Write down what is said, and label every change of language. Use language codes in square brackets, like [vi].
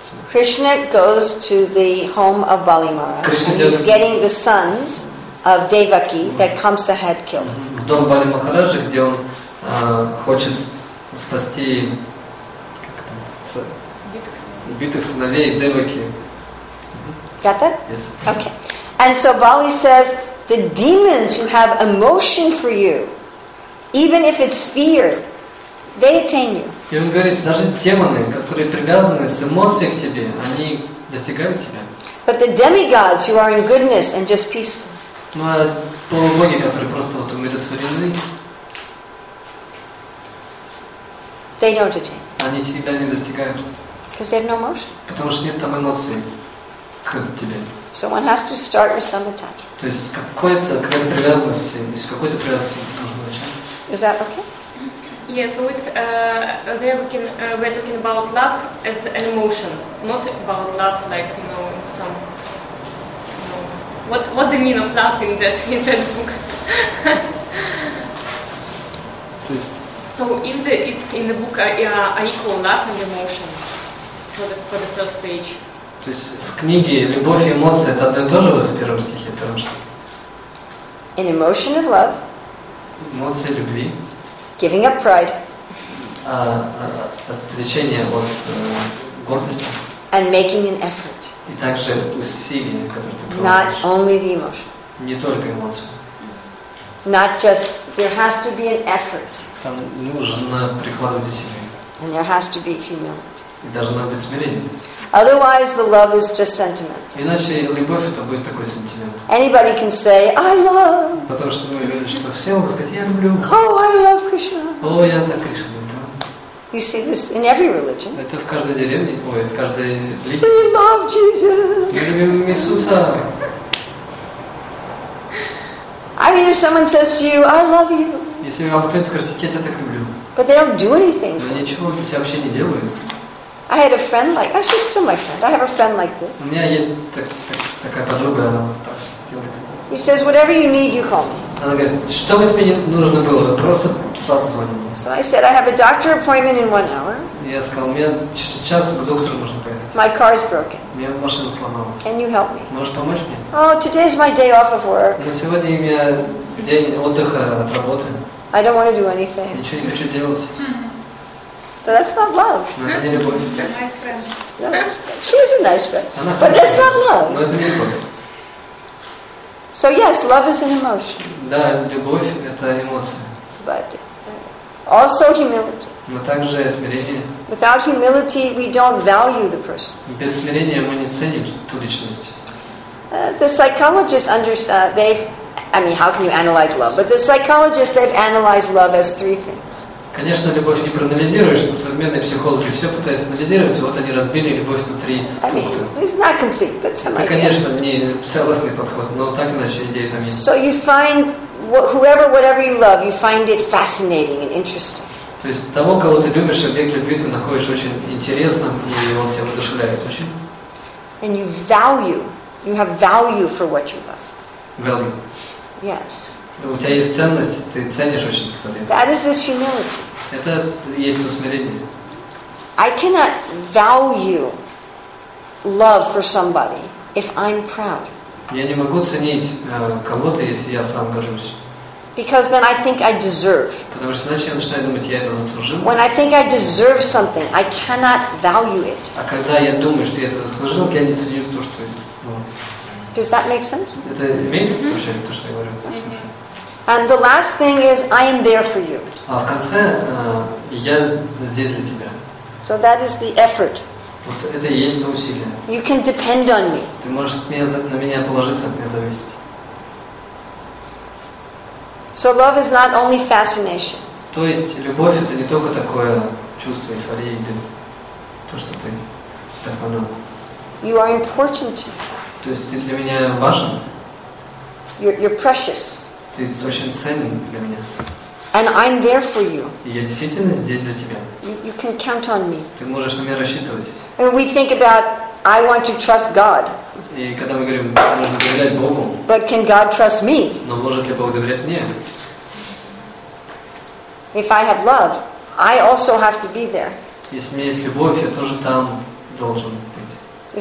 [en] Krishna goes to the home of Bali Maharaj and he's getting the sons of Devaki that Kamsa had killed. [ru] В дом Бали Махараджа, где он хочет спасти убитых сыновей Деваки. [en] Got that? Yes. Okay. And so Bali says, the demons who have emotion for you, even if it's fear, they attain you. [ru] И он говорит, даже демоны, которые привязаны с эмоцией к тебе, они достигают тебя. [en] But the demigods who are in goodness and just peaceful. [ru] Ну а полубоги, которые просто вот умиротворены, [en] they don't attain. [ru] Они тебя не достигают. [en] Because they have no emotion. [ru] Потому что нет там эмоций к тебе. [en] So one has to start with some attachment. [ru] То есть с какой-то привязанности, с какой-то привязанности нужно начать. [en] Is that okay? Yes, yeah, so it's we're talking about love as an emotion, not about love like you know in some. What the mean of love in that book? So is in the book an equal love and emotion for the first stage? [ru] То есть в книге любовь и эмоции это одно и то же в первом стихе, потому что. [en] An emotion of love. [ru] Эмоции любви. [en] Giving up pride. [ru] Отречение от гордости. [en] And making an effort. [ru] И также усилие, которое ты проводишь. [en] Not only the emotion. [ru] Не только эмоции. [en] Not just there has to be an effort. [ru] Там нужно прикладывать усилия. [en] And there has to be humility. [ru] И должно быть смирение. [en] Otherwise, the love is just sentiment. [ru] Иначе любовь это будет такой сентимент. [en] Anybody can say I love. [ru] Потому что мы говорим, что все могут сказать я люблю. [en] Oh, I love Krishna. [ru] О, я так Кришну люблю. [en] You see this in every religion. [ru] Это в каждой деревне, ой, в каждой [en] религии. We love Jesus. [ru] Мы любим Иисуса. [en] I mean, if someone says to you, I love you. [ru] Если вам кто-то скажет, я тебя так люблю. [en] But they don't do anything. [ru] Но ничего они вообще не делают. [en] I had a friend like that. She's still my friend. I have a friend like this. [ru] У меня есть такая подруга, она так [en] делает. He says, whatever you need, you call me. [ru] Она говорит, что бы тебе нужно было, просто сразу звони мне. [en] So I said, I have a doctor appointment in 1 hour. [ru] Я сказал, мне через час к доктору нужно поехать. [en] My car is broken. [ru] У меня машина сломалась. [en] Can you help me? [ru] Можешь помочь мне? [en] Oh, today is my day off of work. [ru] Но сегодня у меня день отдыха от работы. [en] I don't want to do anything. [ru] Ничего не хочу делать. [en] But that's not love. Nice friend. She's a nice friend. But that's not love. So yes, love is an emotion. [ru] Да, любовь это эмоция. [en] But also humility. [ru] Но также смирение. [en] Without humility, we don't value the person. [ru] Без смирения мы не ценим ту личность. [en] The psychologists how can you analyze love? But the psychologists they've analyzed love as three things. [ru] Конечно, любовь не проанализируешь, но современные психологи все пытаются анализировать, и вот они разбили любовь на три пункта. [en] It's not complete, but some [ru] idea. Это, конечно, не целостный подход, но так иначе идея там есть. [en] So you find whoever, whatever you love, you find it fascinating and interesting. [ru] То есть того, кого ты любишь, объект любви ты находишь очень интересным, и он тебя воодушевляет очень. [en] And you value, you have value for what you love. Value. Yes. [ru] У тебя есть ценность, ты ценишь очень кто-то. [en] That is this humility. [ru] Это есть то смирение. [en] I cannot value love for somebody if I'm proud. [ru] Я не могу ценить кого-то, если я сам горжусь. [en] Because then I think I deserve. [ru] Потому что иначе я начинаю думать, я этого заслужил. [en] When I think I deserve something, I cannot value it. [ru] А когда я думаю, что я это заслужил, я не ценю то, что. [en] Does that make sense? [ru] Это имеет смысл вообще то, что я говорю. Mm-hmm. [en] And the last thing is, I am there for you. [ru] А в конце я здесь для тебя. [en] So that is the effort. [ru] Вот это и есть то усилие. [en] You can depend on me. [ru] Ты можешь на меня положиться, от меня зависеть. [en] So love is not only fascination. [ru] То есть любовь это не только такое чувство эйфории, без то, что ты так подумал. [en] You are important. [ru] То есть ты для меня важен. [en] You're precious. [ru] Ты очень ценен для меня. [en] And I'm there for you. [ru] Я действительно здесь для тебя. [en] You can count on me. [ru] Ты можешь на меня рассчитывать. [en] And we think about, I want to trust God. [ru] И когда мы говорим, нужно доверять Богу. [en] But can God trust me? [ru] Но может ли Бог доверять мне? [en] If I have love, I also have to be there. [ru] Если у меня есть любовь, я тоже там должен быть.